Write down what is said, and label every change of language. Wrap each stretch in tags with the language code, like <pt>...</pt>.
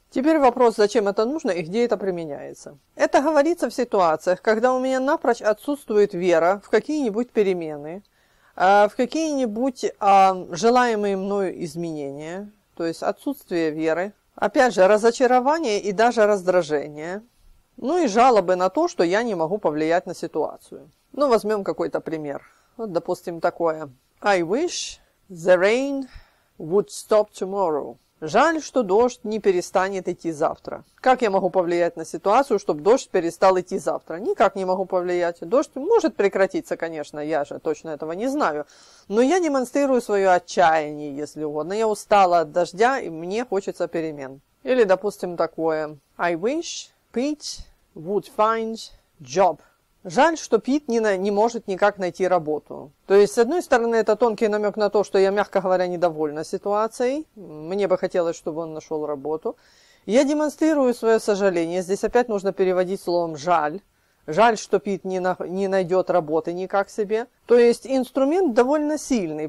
<ru>Теперь вопрос, зачем это нужно и где это применяется. Это говорится в ситуациях, когда у меня напрочь отсутствует вера в какие-нибудь перемены, в какие-нибудь желаемые мною изменения, то есть отсутствие веры, опять же, разочарование и даже раздражение, ну и жалобы на то, что я не могу повлиять на ситуацию. Ну, возьмем какой-то пример. Вот, допустим, такое.</ru> <en>I wish the rain would stop tomorrow.</en> <ru>Жаль, что дождь не перестанет идти завтра. Как я могу повлиять на ситуацию, чтобы дождь перестал идти завтра? Никак не могу повлиять. Дождь может прекратиться, конечно, я же точно этого не знаю. Но я демонстрирую свое отчаяние, если угодно. Я устала от дождя, и мне хочется перемен. Или, допустим, такое.</ru> <en>I wish Pete would find job.</en> <ru>Жаль, что Пит не может никак найти работу. То есть, с одной стороны, это тонкий намек на то, что я, мягко говоря, недовольна ситуацией. Мне бы хотелось, чтобы он нашел работу. Я демонстрирую свое сожаление. Здесь опять нужно переводить словом «жаль». Жаль, что Пит не найдет работы никак себе. То есть инструмент довольно сильный.</ru>